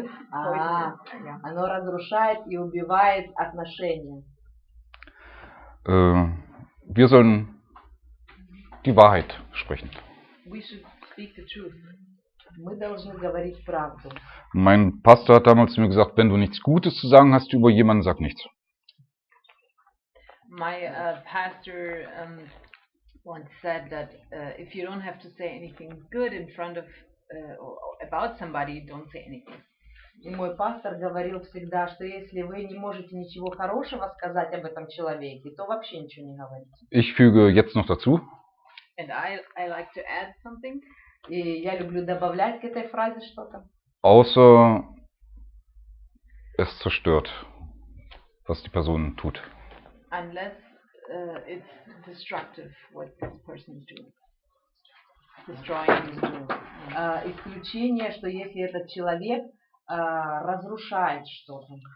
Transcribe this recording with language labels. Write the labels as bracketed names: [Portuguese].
[Russian] оно разрушает и убивает отношения. [German] Wir sollen die Wahrheit sprechen. [English] We should speak the truth. [Russian] Мы должны говорить правду. [German] Mein Pastor hat damals mir gesagt, wenn du nichts Gutes zu sagen hast über jemanden, sag nichts. [English] My pastor once said that if you don't have to say anything good in front of about somebody, don't say anything. [Russian] И мой пастор говорил всегда, что если вы не можете ничего хорошего сказать об этом человеке, то вообще ничего не говорите. [German] Ich füge jetzt noch dazu. [English] And I like to add something. [Russian] И я люблю добавлять к этой фразе что-то. [German] Außer es zerstört, was die Person tut. [English] Unless it's destructive, what this person is doing. [Russian] Исключение, что если этот человек разрушает что-то.